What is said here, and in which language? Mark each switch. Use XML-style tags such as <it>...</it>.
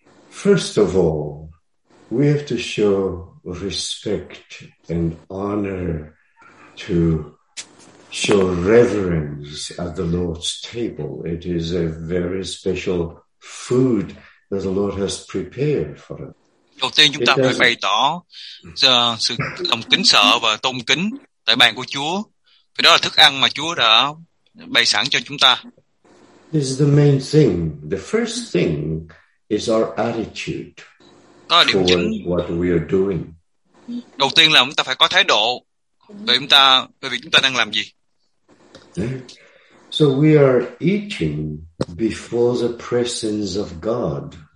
<en>First of all, we have to show respect and honor, to show reverence at the Lord's table. It is a very special food that the Lord has prepared for us.</en> <vi>Đầu tiên chúng ta phải bày tỏ sự lòng kính sợ và tôn kính tại bàn của Chúa. Vì đó là thức ăn mà Chúa đã bày sẵn cho chúng ta.</vi> <en>This is the main thing. The first thing is our attitude toward what we are doing.</en> <vi>Đầu tiên là chúng ta phải có thái độ về việc chúng ta đang làm gì.</vi> <en>So we are eating before the presence of God.</en>